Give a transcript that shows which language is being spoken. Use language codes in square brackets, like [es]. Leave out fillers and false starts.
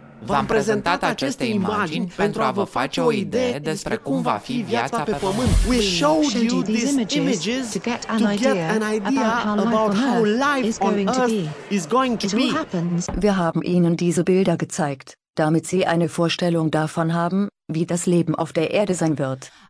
[ro] V-am prezentat aceste imagini pentru a vă face o idee despre cum va fi viața pe Pământ. [en] We showed you these images to get an idea about how life on Earth is going to be. [de] Wir haben Ihnen diese Bilder gezeigt, damit Sie eine Vorstellung davon haben, wie das Leben auf der Erde sein wird.